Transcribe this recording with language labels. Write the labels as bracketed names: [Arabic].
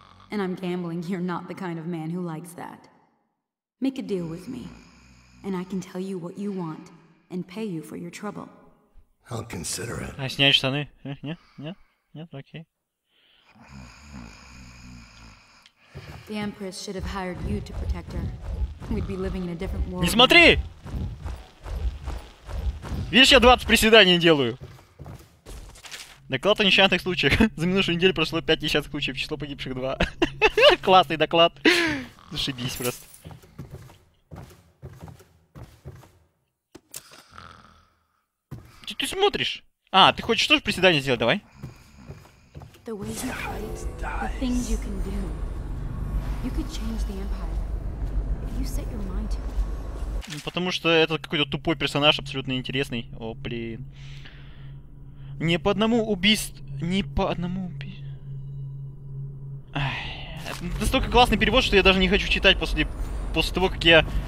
[English] And I'm gambling you're not the kind of man who likes that. Make a deal with me, and I can tell you what you want, and pay you for your trouble. I'll consider it. [Russian] А снять штаны? Нет, окей. [English] The Empress should have hired you to protect her. We'd be living in a different world. [Russian] Не смотри! Видишь, я 20 приседаний делаю. Доклад о несчастных случаях. За минувшую неделю прошло 5 несчастных случаев, число погибших 2. Классный доклад. Зашибись просто. Че ты смотришь? А, ты хочешь тоже приседание сделать? Давай. [English] The way you fight, the things you can do. You could change the Empire, if you set your mind to it. [Russian] Ну, потому что это какой-то тупой персонаж, абсолютно интересный. О, блин. Не по одному убийству... Не по одному убийству... Ай... Это настолько классный перевод, что я даже не хочу читать после... После того, как я...